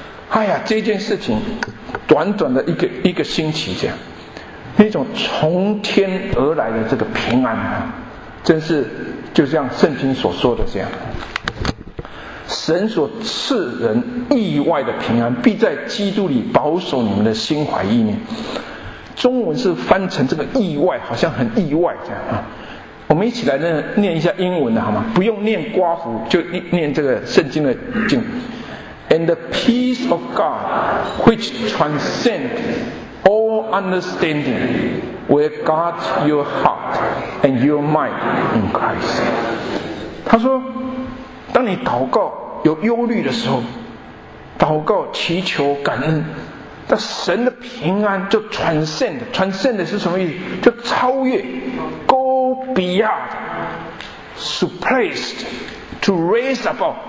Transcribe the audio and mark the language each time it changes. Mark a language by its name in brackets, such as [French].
[Chinese] 哎呀，这件事情短短的一个星期这样，那种从天而来的这个平安啊，真是就像圣经所说的这样，神所赐人意外的平安，必在基督里保守你们的心怀意念。中文是翻成这个意外，好像很意外这样啊。我们一起来念一下英文的好吗？不用念刮胡，就念这个圣经的经。 [English] And the peace of God, which transcends all understanding, will guard your heart and your mind in Christ. [Chinese] 他说，当你祷告有忧虑的时候，祷告祈求感恩，那神的平安就 transcend 是什么意思？就超越 [English] go beyond, surpassed, to raise above,